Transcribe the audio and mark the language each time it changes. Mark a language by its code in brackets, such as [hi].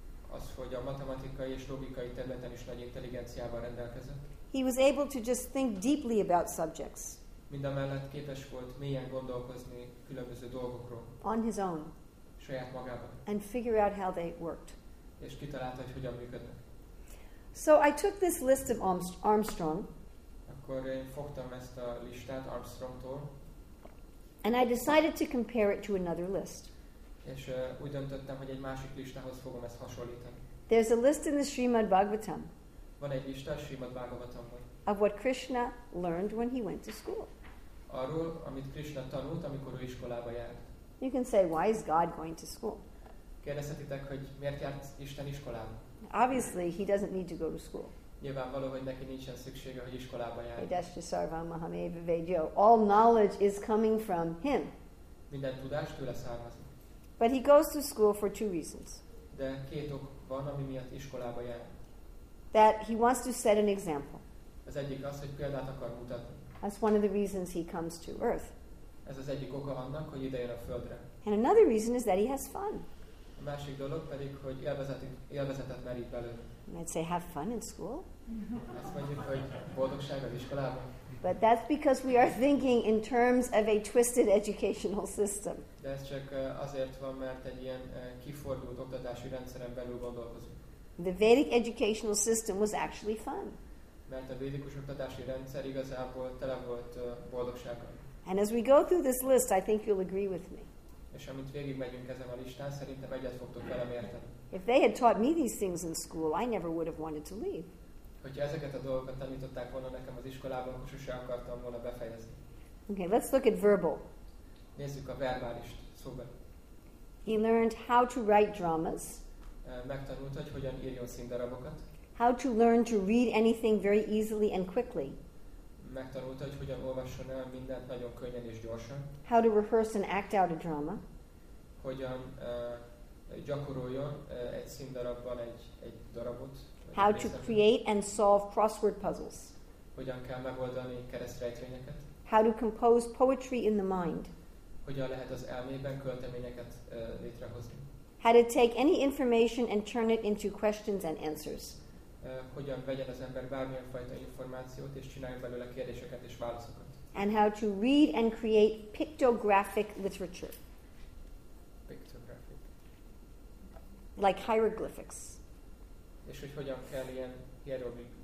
[hu] Az, hogy a matematikai és logikai területen is nagy intelligenciával rendelkezett. [en] He was able to just think deeply about subjects. [hu] Mindamellett képes volt mélyen gondolkozni különböző dolgokról. [en] On his own. [hu] Saját magában. [en] And figure out how they worked. [hu] És kitalálta, hogy hogyan működnek. [en] So I took this list of Armstrong. [hu] Akkor én fogtam ezt a listát Armstrongtól. [en] And I decided to compare it to another list. [hu] És úgy döntöttem, hogy egy másik listához fogom ezt hasonlítani. [en] There's a list in the Srimad Bhagavatam. [hu] Van egy lista a Srimad Bhagavatamban. [en] Of what Krishna learned when he went to school. [hu] Arról, amit Krishna tanult, amikor ő iskolába járt. [en] You can say, why is God going to school? [hu] Kérdezhetitek, hogy miért járt Isten iskolába? [en] Obviously, he doesn't need to go to school. [hu] Nyilvánvaló, hogy neki nincsen szüksége, hogy iskolába járjon. [sa] Idasya sarvam mahameva vedyo. [en] All knowledge is coming from him. [hu] Minden tudás tőle származik. [en] But he goes to school for two reasons. [hu] De két ok van, ami miatt iskolába jár. [en] That he wants to set an example. [hu] Az egyik az, hogy példát akar mutatni. [en] That's one of the reasons he comes to earth. [hu] Ez az egyik oka annak, hogy ide jön a földre. [en] And another reason is that he has fun. [hu] A másik dolog pedig, hogy élvezetet merít belőle. [en] I'd say have fun in school. [hu] Azt mondjuk, hogy boldogság az iskolában. [en] But that's because we are thinking in terms of a twisted educational system. [hu] De ez csak azért van, mert egy ilyen kifordult oktatási rendszeren belül gondolkozunk. [en] The Vedic educational system was actually fun. [hu] Mert a védikus oktatási rendszer igazából tele volt boldogsággal. [en] And as we go through this list, I think you'll agree with me. [hu] És amint végigmegyünk ezen a listán, szerintem egyet fogtok velem érteni. [en] If they had taught me these things in school, I never would have wanted to leave. [hu] Hogyha ezeket a dolgokat tanították volna nekem az iskolában, akkor sose akartam volna befejezni. [en] Okay, let's look at verbal. [hu] Nézzük a verbális szóbeli. [en] He learned how to write dramas. [hu] Megtanult, hogy hogyan írjon színdarabokat. [en] How to learn to read anything very easily and quickly. [hu] Megtanulta, hogy hogyan olvasson el mindent nagyon könnyen és gyorsan. [en] How to rehearse and act out a drama. [hu] Hogyan gyakoroljon egy színdarabban egy darabot. [en] How to create and solve crossword puzzles. [hu] Hogyan kell megoldani keresztrejtvényeket. [en] How to compose poetry in the mind. [hu] Hogyan lehet az elmében költeményeket létrehozni. [en] How to take any information and turn it into questions and answers. [hu] Hogyan vegyen az ember bármilyen fajta információt, és csináljon belőle kérdéseket és válaszokat. [en] And how to read and create pictographic literature. Pictographic. Like hieroglyphics. [hu] És hogy hogyan kell ilyen hieroglyphú.